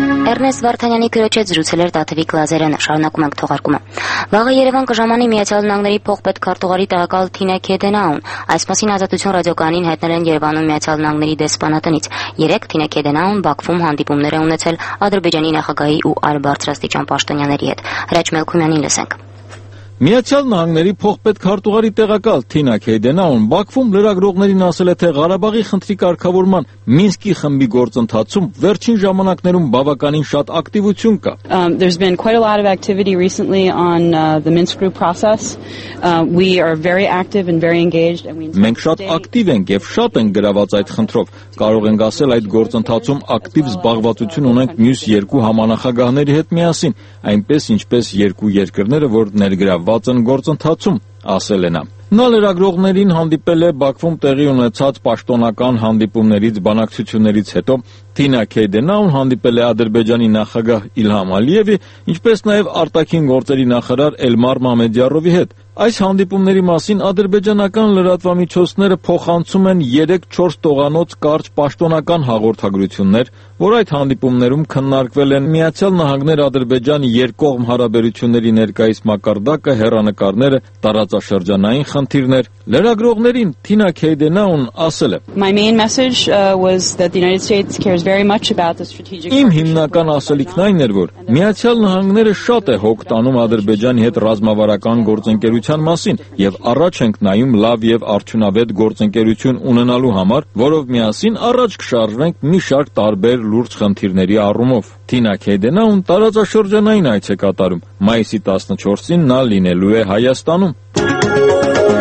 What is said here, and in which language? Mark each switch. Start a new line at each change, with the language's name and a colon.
Armenian: Էրնեստ Վարդանյանի քրոջը զրուցել էր Տաթևիկ Լազարյանը, շարունակում ենք թողարկումը։ Վաղը Երևան կժամանի Միացյալ Նահանգների փոխպետ քարտուղարի տեղակալ Թինե Քեդենաուն, այս մասին Ազատություն ռադիոկանին հայտնել են Երևանում Միացյալ Նահանգների դեսպանատնից։ Երեկ Թինե Քեդենաուն Բաքվում հանդիպումներ է ունեցել Ադրբեջանի նախագահի ու այլ բարձրաստիճան պաշտոնյաների հետ։ Հրաչ Մելքումյանին լսենք։ Միացյալ Նահանգների փոխպետ քարտուղարի տեղակալ Թինա Քեդենաուն Բաքվում լրագրողներին ասել է, թե Ղարաբաղի խնդրի կարգավորման Մինսկի խմբի գործընթացում վերջին ժամանակներում բավականին շատ ակտիվություն կա։
English: There's been quite a lot of activity recently on the Minsk group process. We are very active and very engaged and we
Armenian: Մենք շատ ակտիվ ենք եւ շատ են գրաված այդ խնդրով։ Կարող ենք ասել, այդ գործընթացում ակտիվ զբաղվածություն ունենք մյուս երկու համանախագահների հետ միասին, այնպես ինչպես երկու երկրները, որ ներգրավված են գործընթացում, ասել են։ Նա լրագրողներին հանդիպել է Բաքվում տեղի ունեցած պաշտոնական հանդիպումներից բանակցություններից հետո։ Թինա Քեդենաուն հանդիպել է Ադրբեջանի նախագահ Իլհամ Ալիևի, ինչպես նաև արտաքին գործերի նախարար Էլմար Մամեդյարովի հետ։ Այս հանդիպումների մասին ադրբեջանական լրատվամիջոցները փոխանցում են 3-4 տողանոց կարճ պաշտոնական հաղորդագրություններ, որ այդ հանդիպումներում քննարկվել են Միացյալ Նահանգների Ադրբեջան երկկողմ հարաբերությունների ներկայիս մակարդակը, հեռանկարները, տարածաշրջանային խնդիրներ։ Լրագրողներին Թինա Քեդենաուն ասել է.
English: My main message was that the United States cares very much about the strategic
Armenian: Իմ հիմնական ասելիքն այն էր, որ Միացյալ Նահանգները շատ է հոգտանում Ադրբեջանի հետ ռազմավարական գործընկերության մասին եւ առաջ ենք նայում լավ եւ արդյունավետ գործընկերություն ունենալու համար, որով միասին առաջ կշարժվենք մի շարք տարբեր լուրջ խնդիրների առումով։ Թինա Քեդենաուն տարածաշրջանային այց է կատարում։ Մայիսի 14-ին նա լինելու է Հայաստանում։